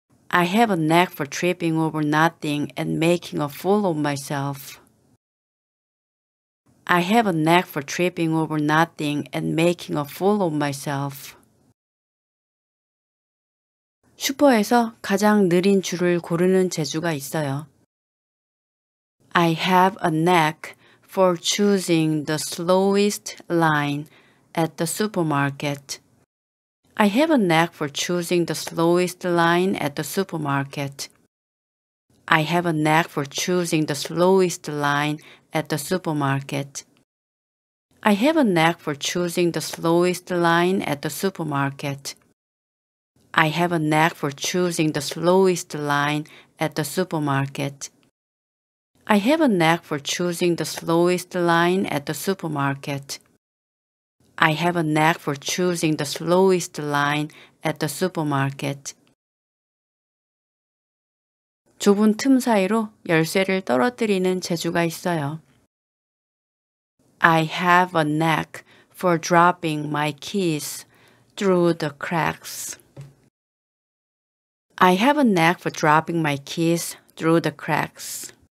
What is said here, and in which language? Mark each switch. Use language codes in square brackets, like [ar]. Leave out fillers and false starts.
[en] I have a knack for tripping over nothing and making a fool of myself. I have a knack for tripping over nothing and making a fool of myself. [ko] 슈퍼에서 가장 느린 줄을 고르는 재주가 있어요. [en] I have a knack for choosing the slowest line at the supermarket. I have a knack for choosing the slowest line at the supermarket. I have a knack for choosing the slowest line at the supermarket. I have a knack for choosing the slowest line at the supermarket. I have a knack for choosing the slowest line at the supermarket. I have a knack for choosing the slowest line at the supermarket. I have a knack for choosing the slowest line at the supermarket. [ko] 좁은 틈 사이로 열쇠를 떨어뜨리는 재주가 있어요. [en] I have a knack for dropping my keys through the cracks. I have a knack for dropping my keys through the cracks.